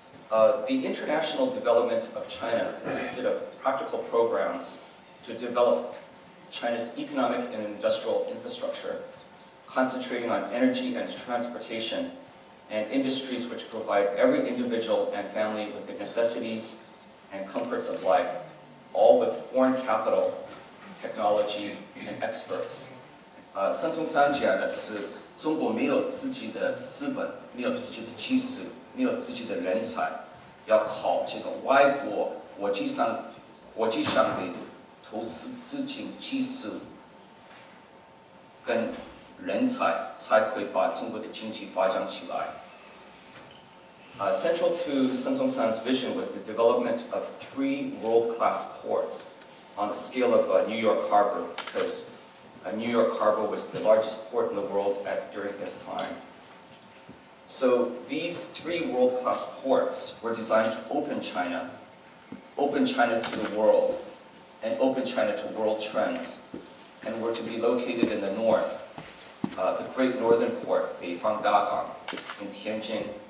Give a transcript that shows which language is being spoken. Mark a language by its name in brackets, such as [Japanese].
[English] The international development of China consisted of practical programs to develop China's economic and industrial infrastructure, concentrating on energy and transportation, and industries which provide every individual and family with the necessities and comforts of life, all with foreign capital, technology, and experts. [Chinese] Sun Zhongshan 中国没有自己的资本，没有自己的技术，没有自己的人才，要靠这个外国国际上的投资资金、技术跟人才，才可以把中国的经济发展起来。 [English] Central to Sun Zhongshan's vision was the development of three world-class ports on the scale of New York Harbor, because New York Harbor was the largest port in the world during this time. So these three world-class ports were designed to open China to the world, and open China to world trends, and were to be located in the north, the Great Northern Port, Beifang Dagang, in Tianjin.